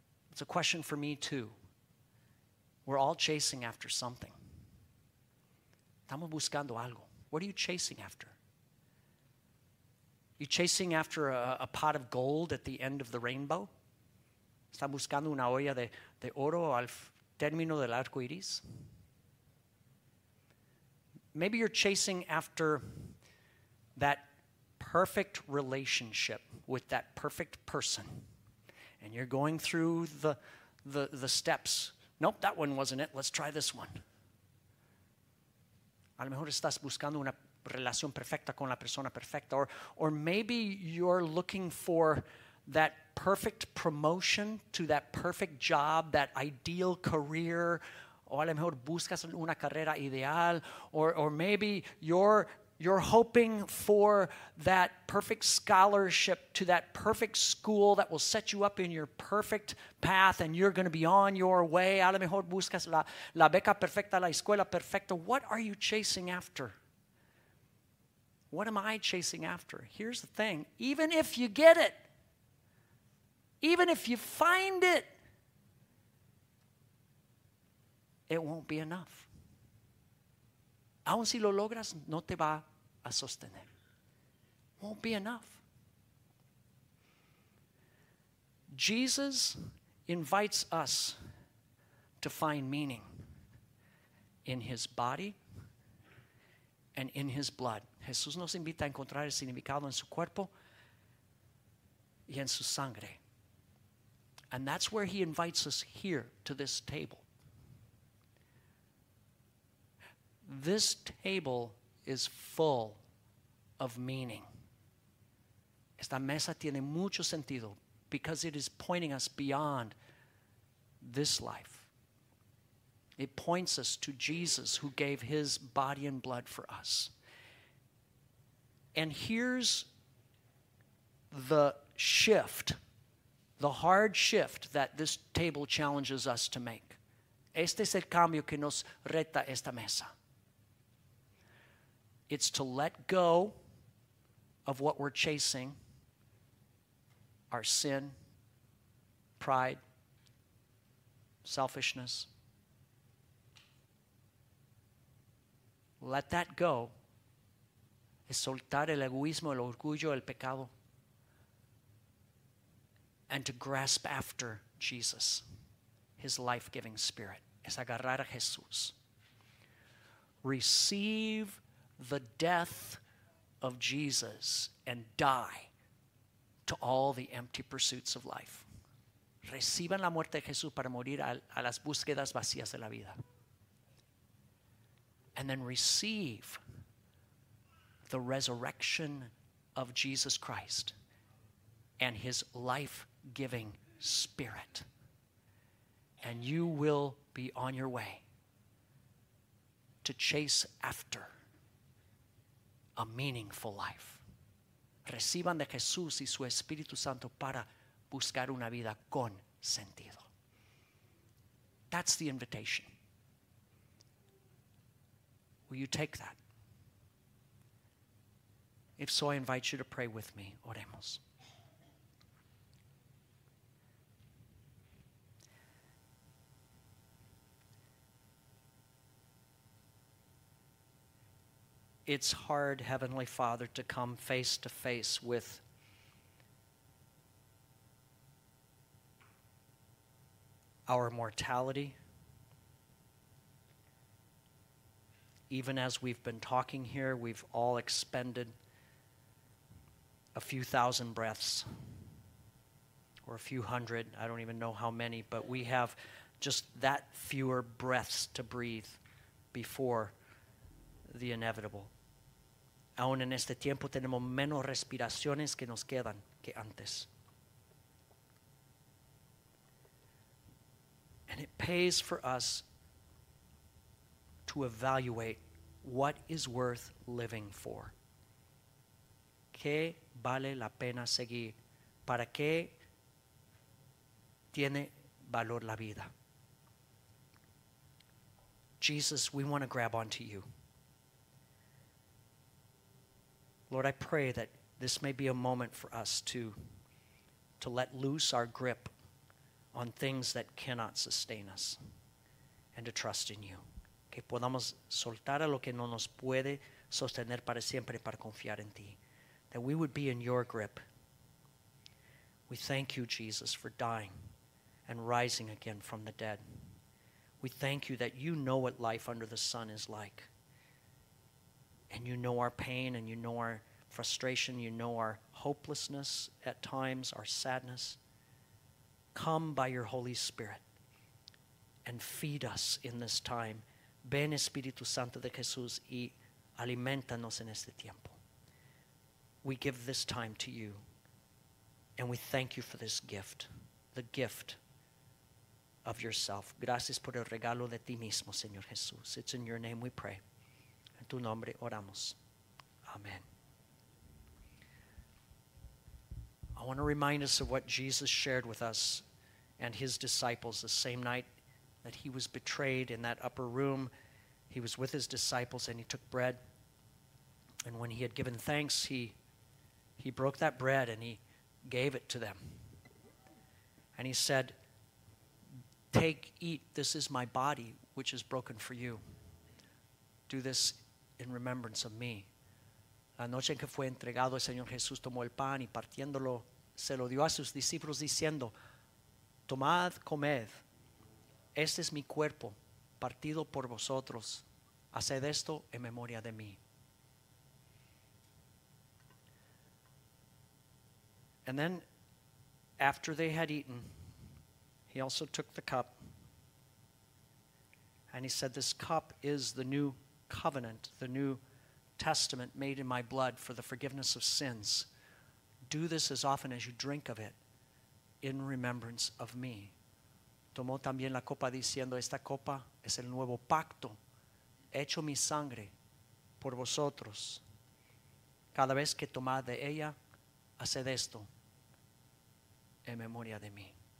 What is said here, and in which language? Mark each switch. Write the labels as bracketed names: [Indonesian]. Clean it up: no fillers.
[English] It's a question for me too. We're all chasing after something. [Spanish] Estamos buscando algo. [English] What are you chasing after? You chasing after a pot of gold at the end of the rainbow? [Spanish] ¿Están buscando una olla de oro al término del arco iris? [English] Maybe you're chasing after that perfect relationship with that perfect person. And you're going through the steps. Nope, that one wasn't it. Let's try this one. [Spanish] A lo mejor estás buscando una relación perfecta con la persona perfecta. [English] Or maybe you're looking for that perfect promotion to that perfect job, that ideal career. [Spanish] O a lo mejor buscas una carrera ideal. [English] Or maybe you're hoping for that perfect scholarship to that perfect school that will set you up in your perfect path and you're going to be on your way. [Spanish] A lo mejor buscas la beca perfecta, la escuela perfecta. [English] What are you chasing after? What am I chasing after? Here's the thing. Even if you get it, even if you find it, it won't be enough. [Spanish] Aun si lo logras, no te va a sostener. [English] Won't be enough. Jesus invites us to find meaning in his body and in his blood. [Spanish] Jesús nos invita a encontrar el significado en su cuerpo y en su sangre. [English] And that's where he invites us here to this table. This table is full of meaning. [Spanish] Esta mesa tiene mucho sentido [English] because it is pointing us beyond this life. It points us to Jesus who gave his body and blood for us. And here's the shift, the hard shift that this table challenges us to make. [Spanish] Este es el cambio que nos reta esta mesa. [English] It's to let go of what we're chasing, our sin, pride, selfishness. Let that go. [Spanish] Es soltar el egoísmo, el orgullo, el pecado. [English] And to grasp after Jesus, his life-giving spirit. [Spanish] Es agarrar a Jesús. [English] Receive the death of Jesus and die to all the empty pursuits of life. [Spanish] reciban la muerte de Jesús para morir a las búsquedas vacías de la vida. [English] And then receive the resurrection of Jesus Christ and his life-giving spirit. And you will be on your way to chase after a meaningful life. [Spanish] Reciban de Jesús y su Espíritu Santo para buscar una vida con sentido. [English] That's the invitation. Will you take that? If so, I invite you to pray with me. [Spanish] Oremos. [English] It's hard, Heavenly Father, to come face to face with our mortality. Even as we've been talking here, we've all expended a few thousand breaths or a few hundred. I don't even know how many, but we have just that fewer breaths to breathe before the inevitable. [Spanish] Aún en este tiempo tenemos menos respiraciones que nos quedan que antes. [English] And it pays for us to evaluate what is worth living for. [Spanish] ¿Qué vale la pena seguir? ¿Para qué tiene valor la vida? [English] Jesus, we want to grab onto you. Lord, I pray that this may be a moment for us to let loose our grip on things that cannot sustain us and to trust in you. [Spanish] Que podamos soltar a lo que no nos puede sostener para siempre para confiar en ti. [English] That we would be in your grip. We thank you, Jesus, for dying and rising again from the dead. We thank you that you know what life under the sun is like. And you know our pain and you know our frustration, you know our hopelessness at times, our sadness. Come by your Holy Spirit and feed us in this time. [Spanish] Ven Espíritu Santo de Jesús y aliméntanos en este tiempo. [English] We give this time to you and we thank you for this gift, the gift of yourself. [Spanish] Gracias por el regalo de ti mismo, Señor Jesús. [English] It's in your name we pray. [Spanish] En tu nombre oramos. [English] Amen. I want to remind us of what Jesus shared with us and his disciples the same night that he was betrayed in that upper room. He was with his disciples and he took bread. And when he had given thanks, he broke that bread and he gave it to them. And he said, "Take, eat, this is my body which is broken for you. Do this in remembrance of me." [Spanish] La noche en que fue entregado, el Señor Jesús tomó el pan y partiéndolo, se lo dio a sus discípulos diciendo, "Tomad, comed, este es mi cuerpo partido por vosotros, haced esto en memoria de mí." [English] And then after they had eaten, he also took the cup and he said, "This cup is the new covenant, the new testament made in my blood for the forgiveness of sins. Do this as often as you drink of it in remembrance of me." [Spanish] Tomó también la copa diciendo, "Esta copa es el nuevo pacto hecho mi sangre por vosotros. Cada vez que tomad de ella, haced esto en memoria de mí."